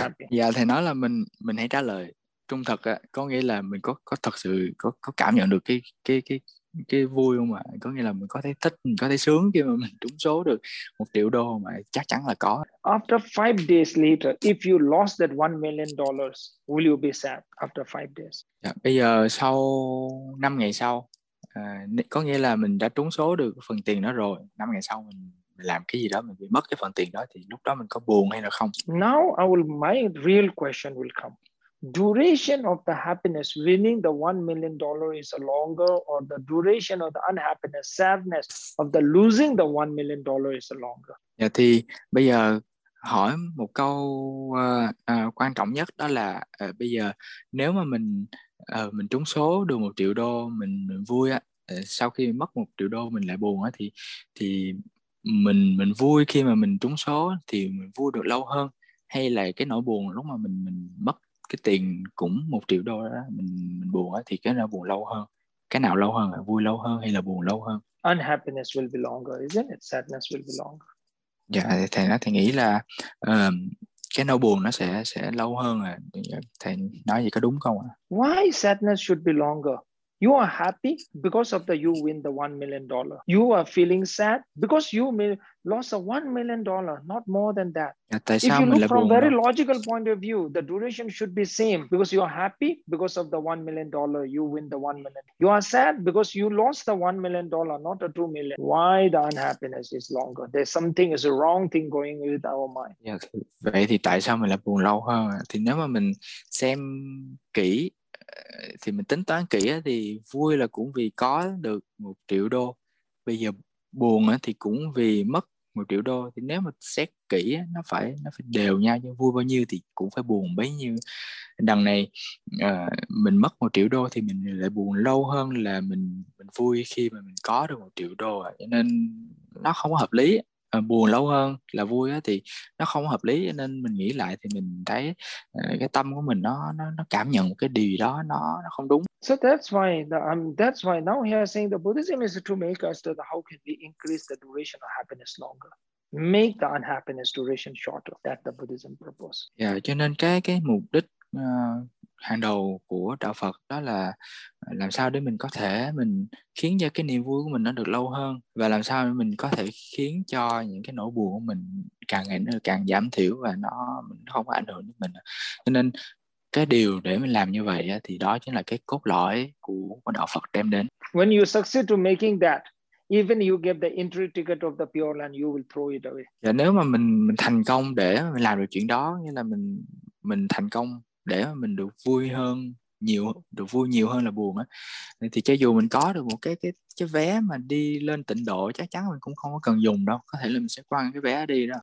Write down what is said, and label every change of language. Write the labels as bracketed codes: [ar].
[vi] Yeah, thầy nói là mình hãy trả lời trung thật á, có nghĩa là mình có thật sự có cảm nhận được cái vui không ạ? Có nghĩa là mình có thấy thích, mình có thấy sướng khi mà mình trúng số được 1 triệu đô mà, chắc chắn là có. [en] After 5 days later, if you lost that $1 million, will you be sad after 5 days? [vi] Yeah, bây giờ sau 5 ngày sau, có nghĩa là mình đã trúng số được phần tiền đó rồi, 5 ngày sau mình làm cái gì đó mình bị mất cái phần tiền đó thì lúc đó mình có buồn hay là không? [en] Now I will, my real question will come. Duration of the happiness winning the $1 million is longer, or the duration of the unhappiness, sadness of the losing the $1 million is longer? [vi] Yeah, thì bây giờ hỏi một câu quan trọng nhất đó là bây giờ nếu mà mình trúng số được 1 triệu đô mình vui á, sau khi mất 1 triệu đô mình lại buồn á, thì mình vui khi mà mình trúng số thì mình vui được lâu hơn, hay là cái nỗi buồn lúc mà mình mất cái tiền cũng 1 triệu đô đó, mình buồn á, thì cái nỗi buồn lâu hơn, cái nào lâu hơn, vui lâu hơn hay là buồn lâu hơn? [en] Unhappiness will be longer, isn't it? Sadness will be longer. [vi] Dạ, thầy nghĩ là cái nỗi buồn nó sẽ lâu hơn à. Thầy nói vậy có đúng không ạ? [en] Why sadness should be longer? You are happy because of the you win the $1 million. You are feeling sad because you lost a $1 million, not more than that. [vi] Tại sao mình lại buồn? [en] If you look from very [vi] đó? [en] Logical point of view, the duration should be same because you are happy because of the $1 million, you win the $1 million. You are sad because you lost the $1 million, not the $2 million. Why the unhappiness is longer? There's something is a wrong thing going with our mind. [vi] Yeah, vậy thì tại sao mình lại buồn lâu hơn? Thì nếu mà mình xem kỹ, thì mình tính toán kỹ thì vui là cũng vì có được 1 triệu đô, bây giờ buồn thì cũng vì mất 1 triệu đô, thì nếu mà xét kỹ nó phải đều nhau, nhưng vui bao nhiêu thì cũng phải buồn bấy nhiêu. Đằng này mình mất 1 triệu đô thì mình lại buồn lâu hơn là mình vui khi mà mình có được 1 triệu đô, cho nên nó không có hợp lý. Buồn lâu hơn là vui thì nó không hợp lý, nên mình nghĩ lại thì mình thấy cái tâm của mình nó cảm nhận cái điều gì đó nó không đúng. [en] So that's why now he is saying the Buddhism is to make us to the how can we increase the duration of happiness longer, make the unhappiness duration shorter, that the Buddhism proposes. [vi] Yeah, cho nên cái mục đích hàng đầu của đạo Phật đó là làm sao để mình có thể mình khiến cho cái niềm vui của mình nó được lâu hơn, và làm sao để mình có thể khiến cho những cái nỗi buồn của mình càng ngày nó càng giảm thiểu và nó không có ảnh hưởng đến mình. Cho nên cái điều để mình làm như vậy thì đó chính là cái cốt lõi của đạo Phật đem đến. [en] When you succeed to making that, even you get the entry ticket of the Pure Land, you will throw it away. [vi] Và nếu mà mình thành công để mình làm được chuyện đó, như là mình thành công để mà mình được vui hơn nhiều, được vui nhiều hơn là buồn á, thì cho dù mình có được một cái vé mà đi lên tịnh độ, chắc chắn mình cũng không có cần dùng đâu. Có thể là mình sẽ quăng cái vé đi đó.